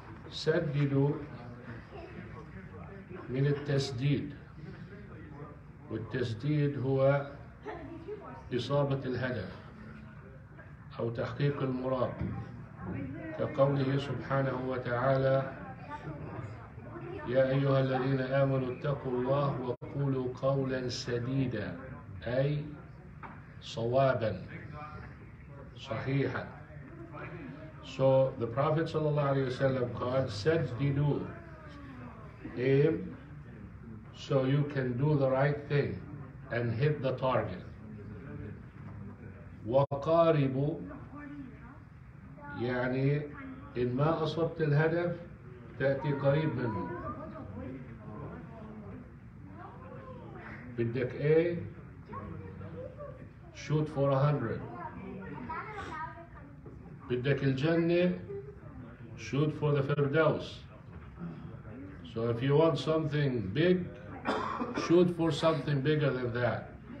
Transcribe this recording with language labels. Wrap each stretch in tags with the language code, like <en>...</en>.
<ar>سددوا من التسديد، والتسديد هو إصابة الهدف أو تحقيق المراد، كقوله سبحانه وتعالى يا أيها الذين آمنوا اتقوا الله وقولوا قولا سديدا، أي صوابا صحيحا.</ar> <en>So the Prophet</en> <ar>صلى الله عليه وسلم قال سددوا،</ar> <en>aim so you can do the right thing and hit the target.</en> <ar>وقاربوا يعني إن ما أصبت الهدف تأتي قريب منه. بدك</ar> <en>A shoot for 100،</en> <ar>بدك الجنة</ar> <en>shoot for the Firdaus. So if you want something big shoot for something bigger than that.</en>